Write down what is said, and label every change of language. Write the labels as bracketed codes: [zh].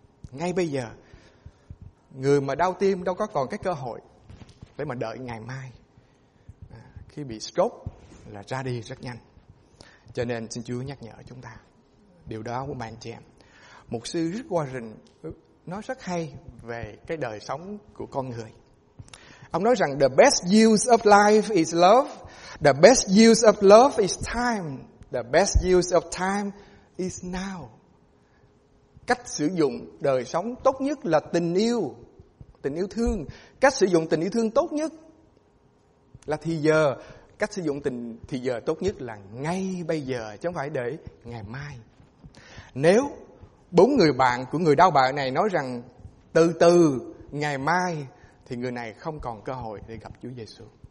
[vi] Ngay bây giờ, người mà đau tim đâu có còn cái cơ hội để mà đợi ngày mai. Khi bị stroke là ra đi rất nhanh. Cho nên xin Chúa nhắc nhở chúng ta điều đó của bạn trẻ. Mục sư Rick Warren nói rất hay về cái đời sống của con người. Ông nói rằng: [en] the best use of life is love. The best use of love is time. The best use of time is now. [vi] Cách sử dụng đời sống tốt nhất là tình yêu thương. Cách sử dụng tình yêu thương tốt nhất là thì giờ. Cách sử dụng tình thì giờ tốt nhất là ngay bây giờ, chứ không phải để ngày mai. Nếu bốn người bạn của người đau bạn này nói rằng từ từ ngày mai, thì người này không còn cơ hội để gặp Chúa Giêsu.